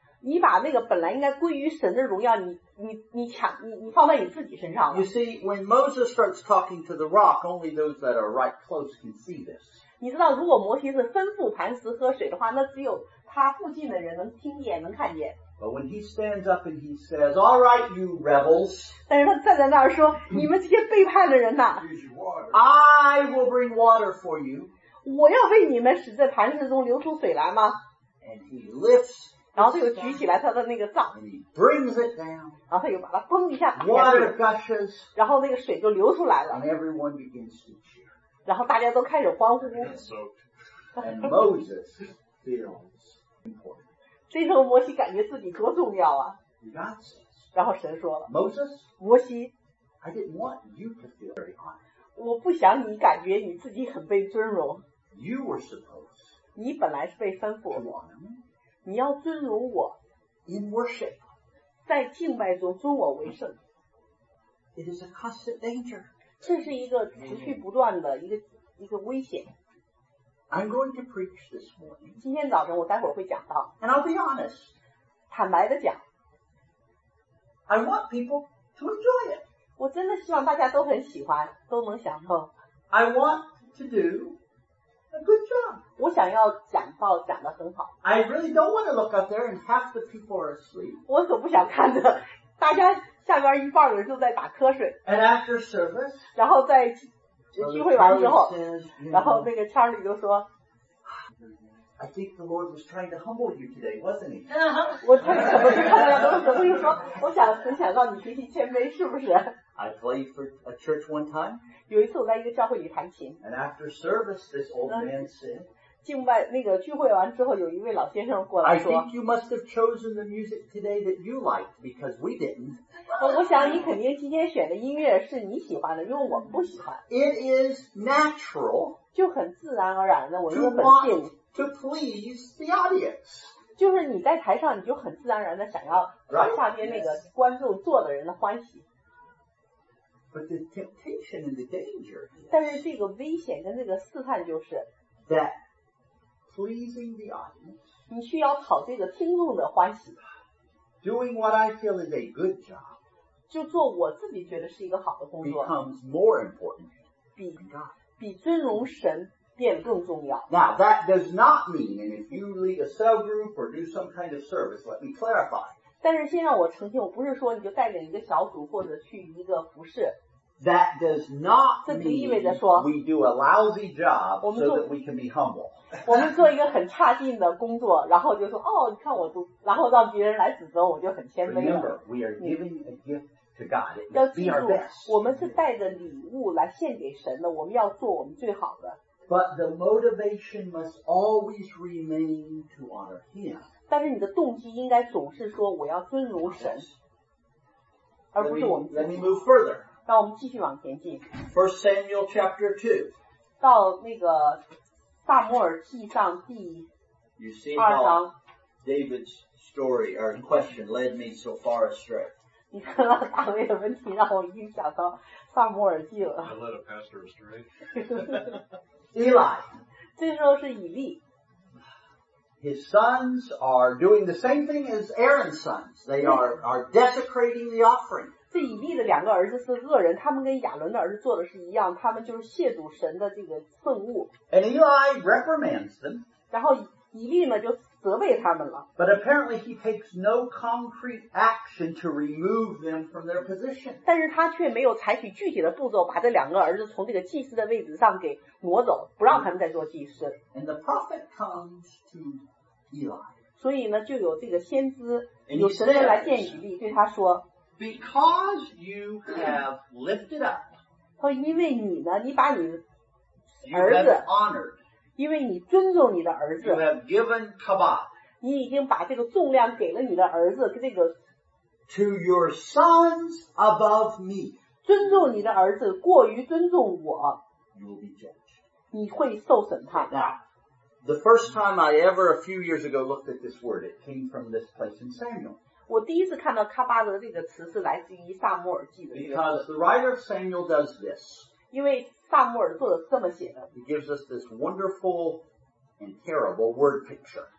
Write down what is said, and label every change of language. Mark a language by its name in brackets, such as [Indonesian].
[English] You see, when Moses starts talking to the rock, only those that are right close can see this. [Chinese] 你知道，如果摩西是吩咐磐石喝水的话，那只有他附近的人能听见，能看见。 [English] But when he stands up and he says, "All right, you rebels," [Chinese] 但是他站在那儿说，你们这些背叛的人呐 [English] ，I will bring water for you. [Chinese] 我要为你们使在磐石中流出水来吗？ [English] And he lifts [Chinese] 然后他又举起来他的那个杖， [English] and he brings it down, [Chinese] 然后他又把它崩一下， [English] water gushes, [Chinese] 然后那个水就流出来了， [English] and everyone begins to cheer. [Chinese] 然后大家都开始欢呼。 [English] And Moses feels important. [Chinese] 这时候摩西感觉自己多重要啊。然后神说了， [English] Moses, [Chinese] 摩西， [English] I didn't want you to feel very honored. [Chinese] 我不想你感觉你自己很被尊荣。 [English] You were supposed. [Chinese] 你本来是被吩咐。你要尊荣我。 [English] In worship. [Chinese] 在敬拜中尊我为圣。 [English] It is a constant danger. [Chinese] 这是一个持续不断的一个危险。 [English] I'm going to preach this morning. [Chinese] 今天早晨我待会儿会讲到。 [English] And I'll be honest. [Chinese] 坦白的讲。 [English] I want people to enjoy it. [Chinese] 我真的希望大家都很喜欢，都能享受。 [English] I want to do a good job. [Chinese] 我想要讲到讲得很好。 [English] I really don't want to look up there and half the people are asleep. [Chinese] 我可不想看着大家下边一半的人就在打瞌睡。 [English] And after service, [Chinese] 然后在聚会完之后，然后那个Charlie就说。 [English] I think the Lord was trying to humble you today, wasn't he? [Chinese] 我怎么看到怎么就说，我想很想让你学习谦卑，是不是 [English] ？I played for a church one time. [Chinese] 有一次我在一个教会里弹琴。 [English] And after service, this old man said. [Chinese] 敬拜那个聚会完之后，有一位老先生过来说。 [English] I think you must have chosen the music today that you liked because we didn't. [Chinese] 我想你肯定今天选的音乐是你喜欢的，因为我不喜欢。 [English] It is natural. [Chinese] 就很自然而然的，我有本性。 [English] To please the audience. [Chinese] 就是你在台上你就很自然而然的想要让下面那个观众坐的人的欢喜。 [English] But the temptation and the danger. [Chinese] 但是这个危险跟这个试探就是。 [English] That pleasing the audience. [Chinese] 你需要讨这个听众的欢喜。 [English] Doing what I feel is a good job. [Chinese] 就做我自己觉得是一个好的工作。 [English] Becomes more important. [Chinese] 比尊荣神变更重要。 [English] Now that does not mean, and if you lead a cell group or do some kind of service, let me clarify. [Chinese] 但是先让我澄清，我不是说你就带领一个小组或者去一个服事。 [English] That does not mean we do a lousy job so that we can be humble. [Chinese] 我们做一个很差劲的工作，然后就说哦，你看我都，然后让别人来指责我就很谦卑了。 [English] Remember, we are giving a gift to God. It must be our best. [Chinese] 我们是带着礼物来献给神的，我们要做我们最好的。 [English] But the motivation must always remain to honor Him. [Chinese] 但是你的动机应该总是说我要尊荣神，而不是我们自己。 [English] Let me move further. [Chinese] 让我们继续往前进。 [English] First Samuel chapter 2. [Chinese] 到那个撒母耳记上第二章。 [English] You see how David's story or question led me so far astray. [Chinese] 你看到大卫的问题让我已经想到撒母耳记了。 [English] I led a pastor astray. Eli. [Chinese] 这时候是以利。 [English] His sons are doing the same thing as Aaron's sons. They are desecrating the offering. [Chinese] 这以利的两个儿子是恶人，他们跟亚伦的儿子做的是一样，他们就是亵渎神的这个圣物。 [English] And Eli reprimands them. [Chinese] 然后以利呢就责备他们了。 [English] But apparently he takes no concrete action to remove them from their position. [Chinese] 但是他却没有采取具体的步骤把这两个儿子从这个祭司的位置上给挪走，不让他们再做祭司。 [English] And the prophet comes to Eli. [Chinese] 所以呢就有这个先知有神人来见以利对他说 [English] Because you have lifted up, [Chinese] 因为你呢，你把你儿子 [English] you have honored, [Chinese] 因为你尊重你的儿子 [English] you have given kabod, [Chinese] 你已经把这个重量给了你的儿子这个 [English] to your sons above me, [Chinese] 尊重你的儿子过于尊重我 [English] you will be judged, [Chinese] 你会受审判 [English] Now, the first time I ever a few years ago looked at this word, it came from this place in Samuel. [Chinese] 我第一次看到喀巴德这个词是来自于撒母耳记的。 [English] Because the writer of Samuel does this. [Chinese] 因为撒母耳作者是这么写的。 [English] He gives us this wonderful and terrible word picture.